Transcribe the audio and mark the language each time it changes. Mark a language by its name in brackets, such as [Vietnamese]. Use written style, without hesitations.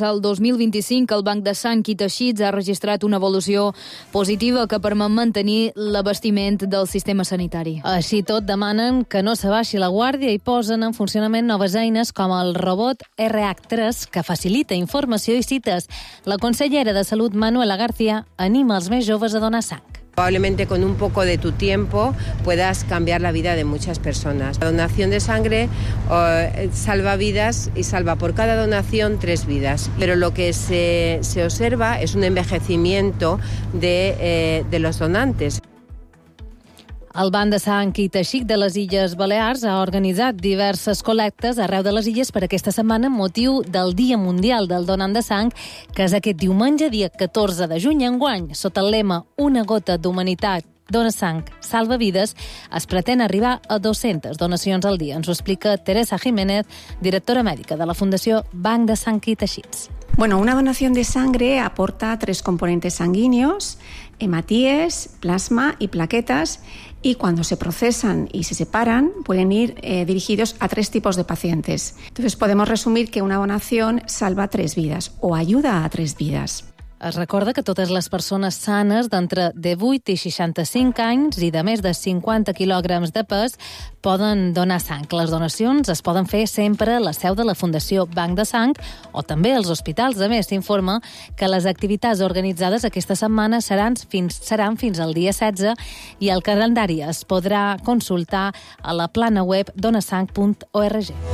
[Catalan] El 2025, el Banc de Sang i Teixits ha registrat una evolució positiva que permet mantenir l'abastiment del sistema sanitari. Així tot, demanen que no s'abaixi la guàrdia i posen en funcionament noves eines com el robot RH3, que facilita informació i cites. La consellera de Salut, Manuela García, anima els més joves a donar sang. [Spanish] Probablemente con un poco de tu tiempo puedas cambiar la vida de muchas personas. La donación de sangre salva vidas y salva por cada donación 3 vidas. Pero lo que se observa es un envejecimiento de los donantes. [Catalan] El Banc de Sang i Teixit de les Illes Balears ha organitzat diverses col·lectes arreu de les illes per aquesta setmana amb motiu del Dia Mundial del Donant de Sang, que és aquest diumenge, dia 14 de juny, enguany, sota el lema «Una gota d'humanitat, dona sang, salva vides», es pretén arribar a 200 donacions al dia. Ens ho explica Teresa Jiménez, directora mèdica de la Fundació Banc de Sang i Teixits. [Spanish] Bueno, una donación de sangre aporta 3 componentes sanguíneos, hematíes, plasma y plaquetas, y cuando se procesan y se separan pueden ir dirigidos a 3 tipos de pacientes. Entonces podemos resumir que una donación salva 3 vidas o ayuda a 3 vidas. [Catalan] Es recorda que totes les persones sanes d'entre 18 i 65 anys i de més de 50 quilograms de pes poden donar sang. Les donacions es poden fer sempre a la seu de la Fundació Banc de Sang o també als hospitals. A més, s'informa que les activitats organitzades aquesta setmana seran fins al dia 16 i el calendari es podrà consultar a la plana web donasang.org.